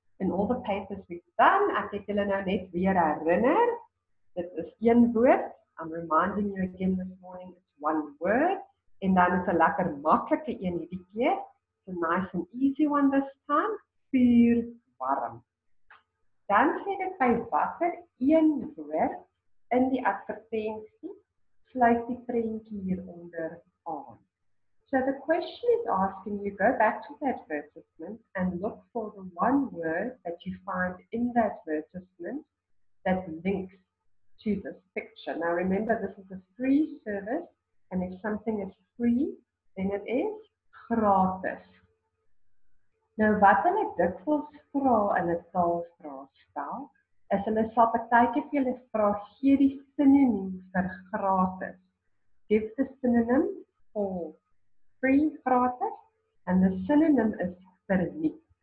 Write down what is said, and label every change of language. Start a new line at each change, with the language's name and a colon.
English: In all the papers we've done,
Afrikaans: ek het julle nou net weer herinner, dit is een woord.
English: I'm reminding you again this morning, it's one word.
Afrikaans: En dan is 'n lekker maklike een hierdie keer.
English: It's a nice and easy one this time.
Afrikaans: Vuur, warm. Dan sê dit by water, een woord in die advertensie, sluit die prentjie hieronder aan.
English: So the question is asking you, go back to the advertisement and look for the one word that you find in the advertisement that links to this picture. Now remember, this is a free service, and if something is free, then it is gratis.
Afrikaans: Nou wat hulle dikwels vra in 'n taalvraestel, is hulle sal partykeer vir julle vra gee die sinoniem vir gratis.
English: Give the synonym for free, gratis, and the synonym is verniet.